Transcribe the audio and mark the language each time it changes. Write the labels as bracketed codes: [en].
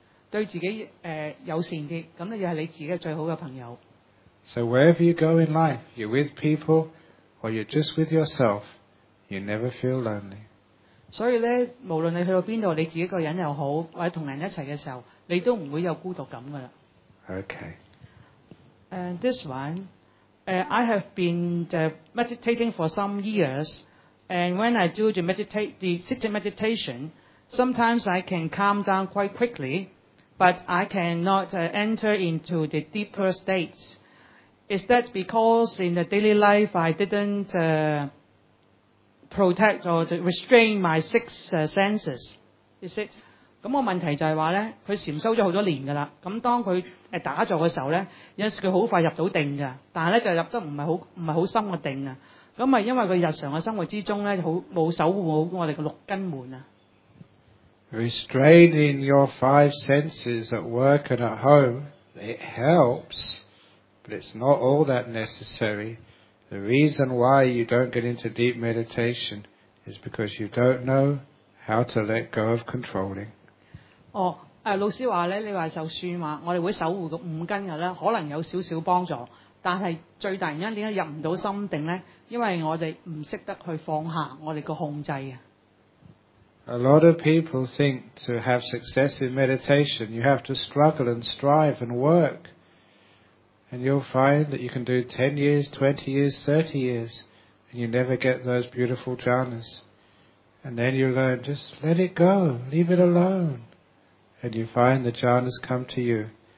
[yue] 对自己友善啲，咁咧又系你自己最好嘅朋友。 [en] So wherever you go in life, you're with people, or you're just with yourself, you never feel lonely. 所以咧，无论你去到边度，你自己一个人又好，或者同人一齐嘅时候，你都唔会有孤独感噶啦。 Okay. And this one, I have been meditating for some years, and when I do the sitting meditation. Sometimes I can calm down quite quickly, but I cannot enter into the deeper states. Is that because in the daily life I didn't protect or restrain my six senses? Is it? [yue] 咁個問題就係話咧，佢禅修咗好多年噶啦。咁當佢打坐嘅時候咧，有陣時佢好快入到定噶，但係咧就入得唔係好深嘅定啊。咁啊，因為佢日常嘅生活之中咧，好冇守護好我哋嘅六根門啊。 [en] Restraining your five senses at work and at home, it helps, but it's not all that necessary. The reason why you don't get into deep meditation is because you don't know how to let go of controlling. [yue] 老師話咧，你話就算話我哋會守護個五根嘅咧，可能有少少幫助，但係最大原因點解入唔到心定咧？因為我哋唔識得去放下我哋個控制啊。 [en] A lot of people think to have success in meditation, you have to struggle and strive and work. And you'll find that you can do 10 years, 20 years, 30 years, and you never get those beautiful jhanas. And then you learn, just let it go, leave it alone. And you find the jhanas come to you.